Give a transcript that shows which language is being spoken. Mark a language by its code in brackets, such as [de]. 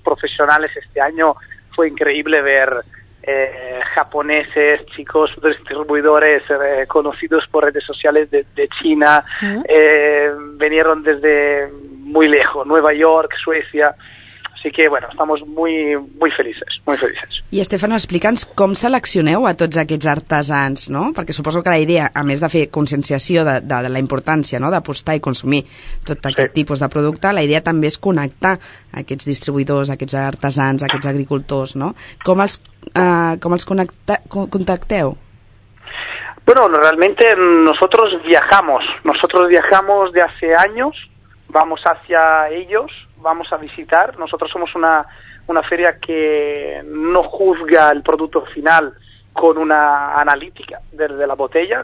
[es] Profesionales, este año fue increíble ver japoneses, chicos, distribuidores conocidos por redes sociales de China. ¿Sí? Vinieron desde muy lejos, Nueva York, Suecia. Así que, bueno, estamos muy, muy felices, muy felices. [ca] I, Estefano, explica'ns com seleccioneu a tots aquests artesans, no? Perquè suposo que la idea, a més de fer conscienciació de la importància, no?, d'apostar i consumir tot aquest, sí, tipus de producte, la idea també és connectar aquests distribuïdors, aquests artesans, aquests agricultors, no? Com els contacteu? [es] Bueno, realmente nosotros viajamos de hace años, vamos hacia ellos, vamos a visitar. Nosotros somos una feria que no juzga el producto final con una analítica de la botella.